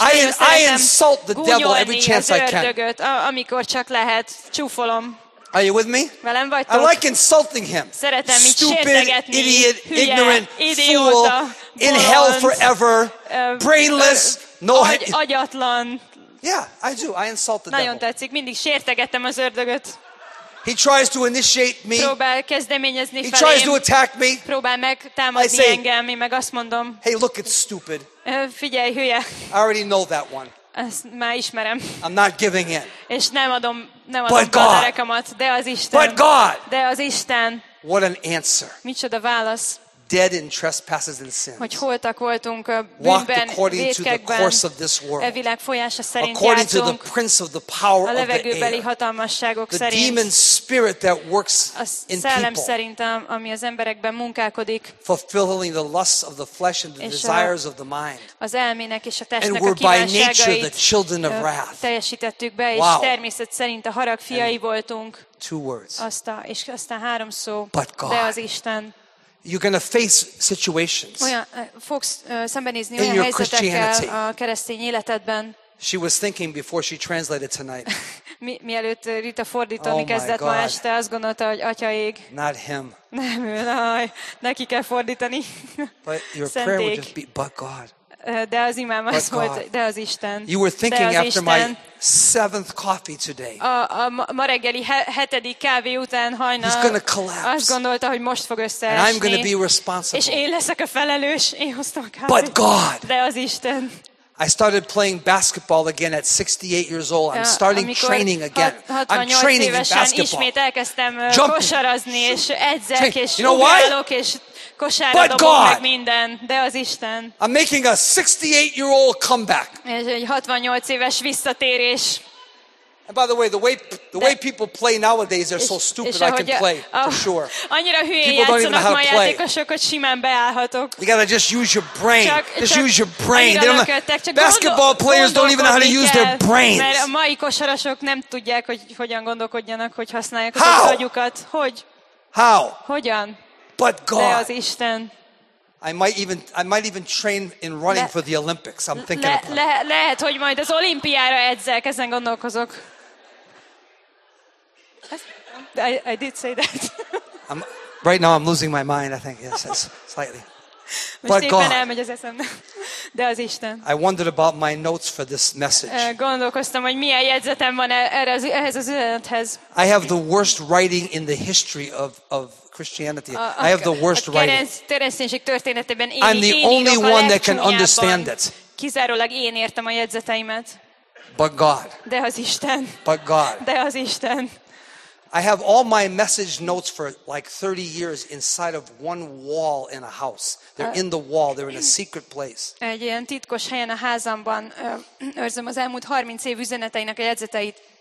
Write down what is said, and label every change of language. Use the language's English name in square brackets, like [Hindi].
[English] I insult the devil every chance I can. [Hungarian] Amikor csak lehet, csúfolom. [English] Are you with me? [Hungarian] Velem vagytok? [English] I like insulting him. [Hungarian] Szeretem így [English] stupid, [Hungarian] sértegetni. [English] Stupid, idiot, [Hungarian] hülye, [English] ignorant, [Hungarian] idiota, [English] fool, [Hungarian] bolond, [English] in hell forever, brainless, no [Hungarian] agyatlan. [English] Yeah, I do. I insult the [Hungarian] Nagyon tetszik. Mindig sértegettem az ördögöt. [English] He tries to initiate me. [Hungarian] Próbál kezdeményezni felém. [English] He tries to attack me. [Hungarian] Próbál megtámadni engem, én meg azt mondom. [English] Hey, look, it's stupid. [Hungarian] Figyelj, hülye. [English] I already know that one. [Hungarian] Ezt már ismerem. [English] I'm not giving in. [Hungarian] És nem adom gazdarekamat, de az Isten. [English] But God. [Hungarian] De az Isten. [English] What an answer. [Hungarian] Micsoda válasz. [English] Dead in trespasses and sins. [Hungarian] Hogy holtak voltunk a bűnben, [English] walked according to the course of this world. [Hungarian] E világ folyása szerint [English] according [Hungarian] jártunk, [English] to the prince of the power [Hungarian] a levegőbeli hatalmasságok [English] the [Hungarian] szerint. [English] The demon spirit that works [Hungarian] a [English] in people. [Hungarian] Szerint, ami az emberekben munkálkodik. [English] Fulfilling the lusts of the flesh and the desires of the mind. [Hungarian] Az elmének és a testnek a kívánságait. [English] And we're by nature the children of wrath. [Hungarian] Teljesítettük be, és természet szerint a harag fiai voltunk. [English] Two words. [Hungarian] Aztán három szó. [English] But God. [Hungarian] De az Isten. [English] You're going to face situations. In your Christianity. [Hungarian] A keresztény életedben. [English] She was thinking before she translated tonight. [Hungarian] Mielőtt Rita fordítani kezdett ma este, azt gondolta, hogy Atya ég. [English] Not him. [Hungarian] Nem ő, neki kell fordítani. [English] But your prayer would just be, but God. [Hungarian] De az imám az volt, de az Isten. [English] You were thinking after my seventh coffee today. [Hungarian] A ma reggeli hetedik kávé után hajnal. [English] He's gonna collapse. [Hungarian] Azt gondolta, hogy most fog összeesni. [English] And I'm gonna be responsible. [Hungarian] És én leszek a felelős, én hoztam a kávét. [English] But God. [Hungarian] De az Isten. [English] I started playing basketball again at 68 years old. I'm starting training again. I'm training in basketball. [Hungarian] Ismét elkezdtem kosarazni, és edzek, és ugrálok, és kosárra dobok meg minden. De az Isten. [English] I'm making a 68-year-old comeback. [Hungarian] És egy 68 éves visszatérés. [English] And by the way people play nowadays are so stupid I can play for sure. [Hungarian] Annyira hülyén játszanak ma játékosok, hogy simán beállhatok. [English] You gotta just use your brain. Just use your brain. They don't basketball players don't even know how to use their brains. [Hungarian] Mert a mai kosarasok nem tudják, hogy hogyan gondolkodjanak, hogy használják az agyukat. Hogy? [English] How? [Hungarian] Hogyan? [English] But God. [Hungarian] De az Isten. [English] I might even train in running for the Olympics. I'm thinking about it. [Hungarian] Lehet, hogy majd az olimpiára edzek, ezen gondolkozok. [English] I did say that. Right now I'm losing my mind, I think. Yes, slightly. But God. [Hungarian] Most éppen elmegy az eszem. De az Isten. [English] I wondered about my notes for this message. [Hungarian] Gondolkoztam, hogy milyen jegyzetem van ehhez az üzenethez. [English] I have the worst writing in the history of Christianity. I have the worst writing. I'm the only one that can understand it. [Hungarian] Kizárólag én értem a jegyzeteimet. [English] But God. [Hungarian] De az Isten. [English] But God. [Hungarian] De az Isten. [English] I have all my message notes for like 30 years inside of one wall in a house. They're in the wall. They're in a secret place. [Hungarian] Egy ilyen titkos helyen a házamban őrzöm az elmúlt 30 év üzeneteinek a jegyzeteit.